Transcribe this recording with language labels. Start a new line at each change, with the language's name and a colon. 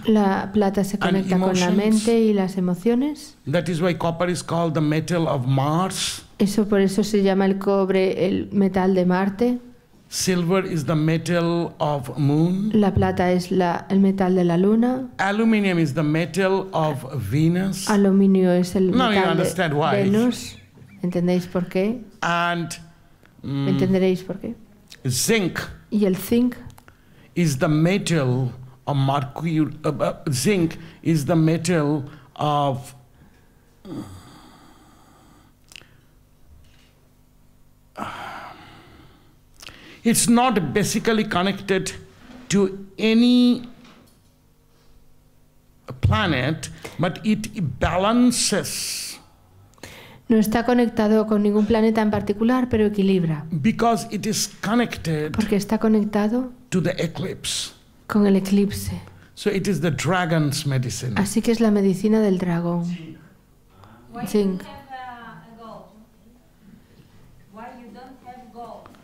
Spanish: La plata se conecta con la mente y las emociones.
English: That is why copper is called the metal of Mars.
Spanish: Eso por eso se llama el cobre el metal de Marte.
English: Silver is the metal of moon.
Spanish: La plata es el metal de la luna.
English: Aluminium is the metal of Venus.
Spanish: Aluminio es el no, metal
English: you understand
Spanish: de
English: why.
Spanish: Venus. ¿Entendéis por qué?
English: And
Spanish: entenderéis por qué.
English: Zinc.
Spanish: Y el zinc.
English: Is the metal of mercury? Zinc is the metal of it's not basically connected to any planet, but it balances.
Spanish: No está conectado con ningún planeta en particular, pero equilibra.
English: Because it is connected.
Spanish: Porque está conectado.
English: To the eclipse.
Spanish: Con el eclipse.
English: So it is the dragon's medicine.
Spanish: Así que es la medicina del dragón.
English: Zinc. Why don't you have gold? Why you don't have gold?